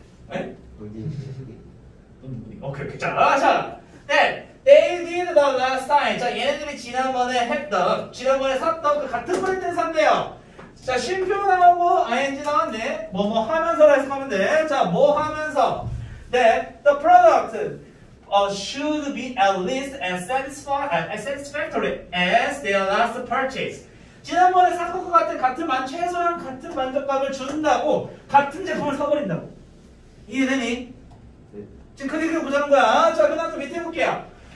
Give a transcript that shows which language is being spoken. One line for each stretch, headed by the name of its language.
Korean: 네? 여기 오케이, 오케이. 자,
English: they did the last time.
Korean: 자, 얘네들이 지난번에 했던, 지난번에 샀던 그 같은 브랜드를 샀대요. 자, 쉼표 나오고 ing 나왔네. 뭐뭐 하면서라 생각하면 돼. 자, 뭐 하면서.
English: The product should be at least as satisfactory as their last purchase.
Korean: 지난번에 샀던 것 같은 최소한 같은 만족감을 준다고 같은 제품을 사버린다고. 이해되니? 지금 그게 보자는 거야. 자, 그 다음 또 밑에 볼게요.